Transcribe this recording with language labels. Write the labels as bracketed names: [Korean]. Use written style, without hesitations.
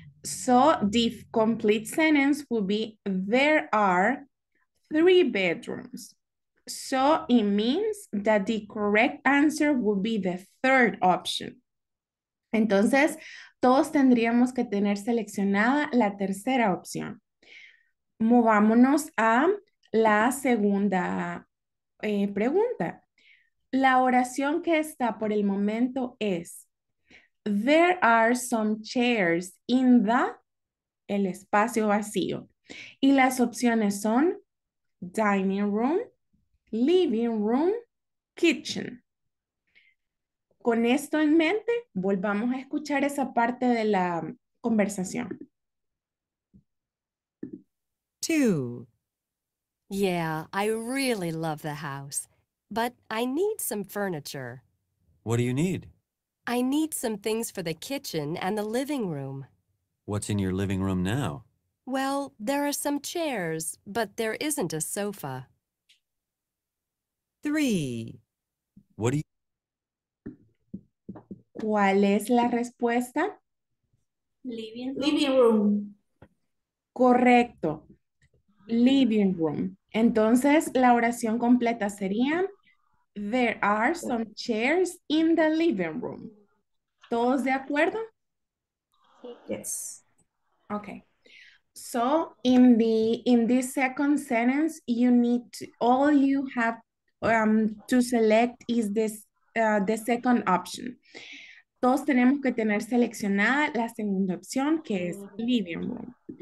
[English] So the complete sentence will be, there are three bedrooms. So it means that the correct answer will be the third option. [Spanish] Entonces, todos tendríamos que tener seleccionada la tercera opción. Movámonos a la segunda pregunta. La oración que está por el momento es, [English] there are some chairs in the, [Spanish] el espacio vacío. Y las opciones son dining room, living room, kitchen. Con esto en mente, volvamos a escuchar esa parte de la conversación. [English] Two. Yeah, I really love the house, but I need some furniture. What do you need? I need some things for the kitchen and the living room. What's in your living room now? Well, there are some chairs, but there isn't a sofa. Three. What do you... [Spanish] ¿Cuál es la respuesta? [English] Living room. [Spanish] Correcto. [English] Living room. [Spanish] Entonces, la oración completa sería, [English] there are some chairs in the living room. [Spanish] ¿Todos de acuerdo? [English] Yes. Okay. So, in this second sentence, you need to, all you have to select is this the second option. [Spanish] Todos tenemos que tener seleccionada la segunda opción, que es living room.